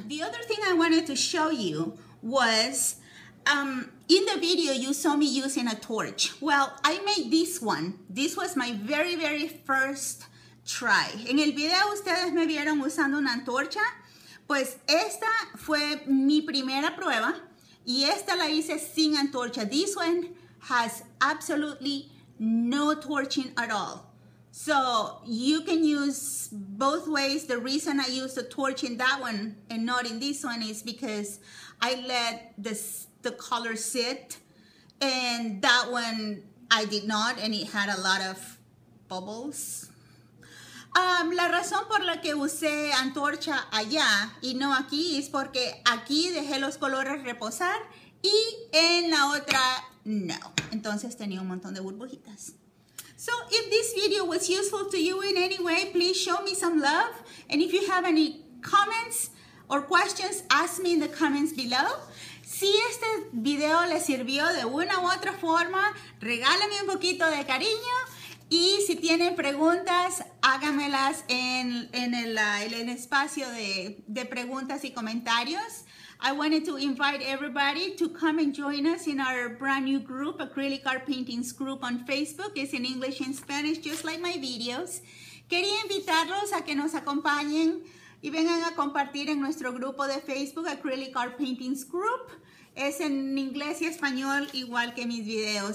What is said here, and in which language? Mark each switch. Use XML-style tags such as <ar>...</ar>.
<en>The other thing I wanted to show you was, in the video you saw me using a torch. Well, I made this one. This was my very, very first try.</en> <es>En el video ustedes me vieron usando una antorcha. Pues esta fue mi primera prueba y esta la hice sin antorcha.</es> <en>This one has absolutely no torching at all. So you can use both ways. The reason I used a torch in that one and not in this one is because I let the color sit, and that one I did not, and it had a lot of bubbles.</en> <es>La razón por la que usé antorcha allá y no aquí es porque aquí dejé los colores reposar y en la otra no. Entonces tenía un montón de burbujitas.</es> <en>So if this video was useful to you in any way, please show me some love. And if you have any comments or questions, ask me in the comments below.</en> <es>Si este video le sirvió de una u otra forma, regálame un poquito de cariño. Y si tienen preguntas, háganmelas en el espacio de preguntas y comentarios.</es> <en>I wanted to invite everybody to come and join us in our brand new group, Acrylic Art Paintings Group on Facebook. It's in English and Spanish, just like my videos.</en> <es>Quería invitarlos a que nos acompañen y vengan a compartir en nuestro grupo de Facebook, Acrylic Art Paintings Group. Es en inglés y español, igual que mis videos.</es>